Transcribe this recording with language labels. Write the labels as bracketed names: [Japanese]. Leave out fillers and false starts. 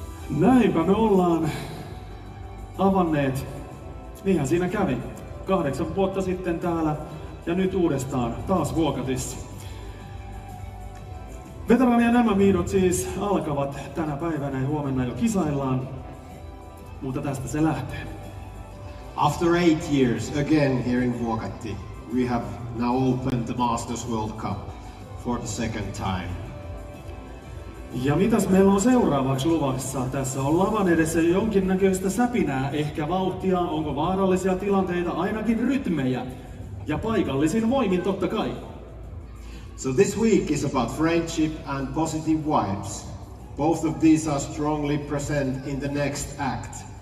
[Finnish] Näinpä me ollaan avanneet, niinhän siinä kävi, 8 vuotta sitten täällä ja nyt uudestaan taas Vuokatissa. Veteraanien MM-hiihdot siis alkavat tänä päivänä ja huomenna jo kisaillaan, mutta tästä se lähtee. [English] After 8 years again here in Vuokatti, we have now opened the Masters World Cup for the second time. [Finnish] Ja mitäs meillä on seuraavaksi luvassa? Tässä on lavan edessä jonkinnäköistä säpinää, ehkä vauhtia, onko vaarallisia tilanteita, ainakin rytmejä. Ja paikallisin voimin totta kai. [English] So this week is about friendship and positive vibes. Both of these are strongly present in the next act.